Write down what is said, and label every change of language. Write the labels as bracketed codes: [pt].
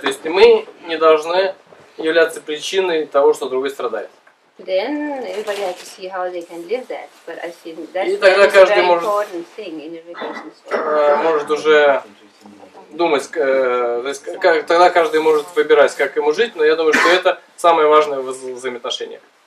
[ru] То есть мы не должны являться причиной того, что другой страдает. [en] Then everybody has to see how they can live that. But I think that's a very important thing in a relationship. [ru] Может уже думать, то есть как, тогда каждый может выбирать, как ему жить, но я думаю, что это самое важное в взаимоотношениях.